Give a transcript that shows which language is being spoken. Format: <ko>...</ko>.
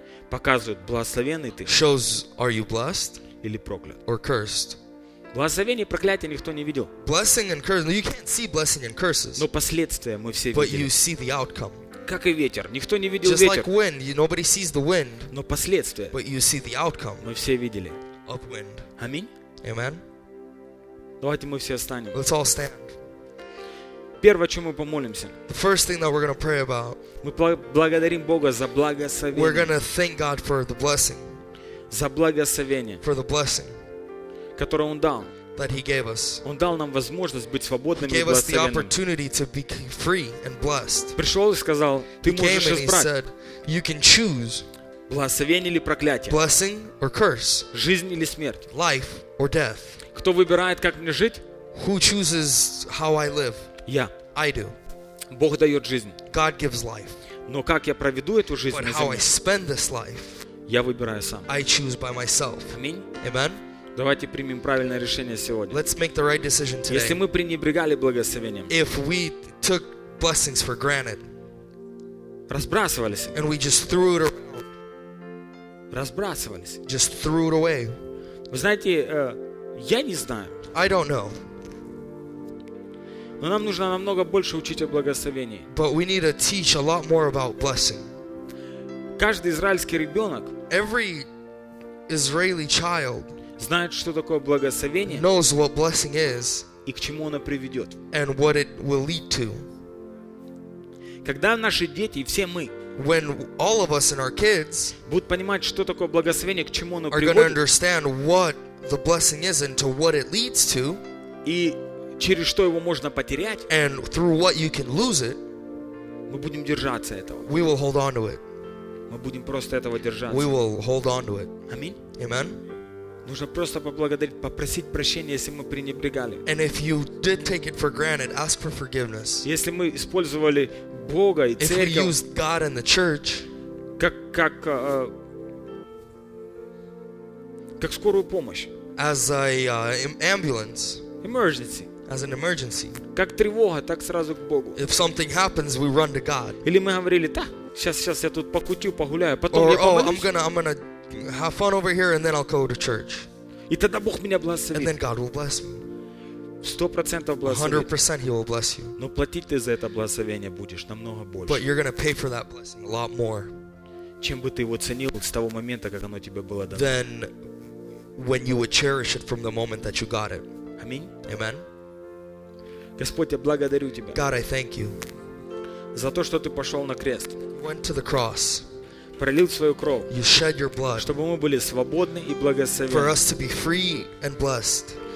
<ru>Показывает, благословенный ты.</ru> <en>Shows are you blessed?</en> <ru>Или проклят?</ru> <en>Or cursed?</en> <ru>Благословение и проклятие никто не видел.</ru> <en>Blessing and curses. You can't see blessing and curses.</en> <ru>Но последствия мы все</ru> <en>But</en> <ru>видели.</ru> <en>But you see the outcome.</en> <ru>Как и ветер. Никто не видел</ru> <en>Just</en> <ru>ветер.</ru> <en>Just like wind, nobody sees the wind.</en> <ru>Но последствия.</ru> <en>But you see the outcome.</en> <ru>Мы все видели.</ru> <en>Upwind.</en> <ru>Аминь.</ru> <en>Amen.</en> <ru>Давайте мы все встанем.</ru> <en>Let's all stand.</en> <ru>Первое, о чем мы помолимся.</ru> <en>The first thing that we're going to pray about.</en> <ru>Мы благодарим Бога за благословение.</ru> <en>We're going to thank God for the blessing.</en> <ru>За благословение.</ru> <en>For the blessing.</en> <ru>Которое Он дал.</ru> <en>That He gave us.</en> <ru>Он дал нам возможность быть свободными и благословенными.</ru> <en>He gave us the opportunity to be free and blessed.</en> <ru>Пришел и сказал, ты можешь избрать.</ru> <en>Said, you can choose.</en> <ru>Благословение или проклятие.</ru> <en>Blessing or curse.</en> <ru>Жизнь или смерть.</ru> <en>Life or death.</en> <ru>Кто выбирает, как мне жить?</ru> <en>Who chooses how I live?</en> <ru>Я.</ru> <en>I do.</en> <ru>Бог дает жизнь.</ru> <en>God gives life.</en> <ru>Но как я проведу эту жизнь?</ru> <en>But how I spend this life?</en> <ru>Я выбираю сам.</ru> <en>I choose by myself.</en> <ru>Аминь.</ru> <en>Amen.</en> <ru>Давайте примем правильное решение сегодня.</ru> <en>Let's make the right decision today.</en> <ru>Если мы пренебрегали благословением,</ru> <en>if we took blessings for granted,</en> <ru>разбрасывались,</ru> <en>and we just threw it around,</en> <ru>разбрасывались,</ru> <en>just threw it away.</en> <ru>Вы знаете, я не знаю.</ru> <en>I don't know.</en> <ru>Но нам нужно намного больше учить о благословении.</ru> <en>But we need to teach a lot more about blessing.</en> <ru>Каждый израильский ребенок,</ru> <en>every Israeli child.</en> <ru>Знает, что такое благословение,</ru> <en>knows what blessing is</en> <ru>и к чему оно приведет.</ru> <en>And what it will lead to.</en> <ru>Когда наши дети, все мы,</ru> <en>when all of us and our kids</en> <ru>будут понимать, что такое благословение, к чему оно</ru> <en>are</en> <ru>приводит,</ru> <en>gonna understand what the blessing is and to what it leads to,</en> <ru>и через что его можно потерять,</ru> <en>and through what you can lose it,</en> <ru>мы будем держаться этого.</ru> <en>We will hold on to it.</en> <ru>Мы будем просто этого держаться.</ru> <en>We will hold on to it.</en> <ru>Аминь.</ru> <en>Amen.</en> <ru>Нужно просто поблагодарить, попросить прощения, если мы пренебрегали.</ru> <en>And if you did take it for granted, ask for forgiveness.</en> <ru>Если мы использовали Бога и церковь,</ru> <en>if we used God and the church,</en> <ru>как скорую помощь,</ru> <en>as a ambulance, emergency, as an emergency,</en> <ru>как тревога, так сразу к Богу.</ru> <en>If something happens, we run to God.</en> <ru>Или мы говорили, так, сейчас я тут покутю, погуляю, потом</ru> <en>Or,</en> <ru>я помолюсь.</ru> <en>Oh, I'm gonna have fun over here and then I'll go to church.</en> <ru>И тогда Бог меня благословит.</ru> <en>And then God will bless me.</en> <ru>100% благословит.</ru> <en>100% He will bless you.</en> <ru>Но платить ты за это благословение будешь намного больше.</ru> <en>But you're going to pay for that blessing a lot more.</en> <ru>Чем бы ты его ценил с того момента, как оно тебе было дано.</ru> <en>Then when you would cherish it from the moment that you got it.</en> <ru>Аминь.</ru> <en>Amen.</en> <ru>Господь, я благодарю тебя.</ru> <en>God, I thank you.</en> <ru>За то, что ты пошел на крест.</ru> <en>Went to the cross.</en> <ru>Пролил свою кровь,</ru> <en>you shed your blood,</en> <ru>чтобы мы были свободны и благословенны.</ru> <en>For us to be free and blessed.</en>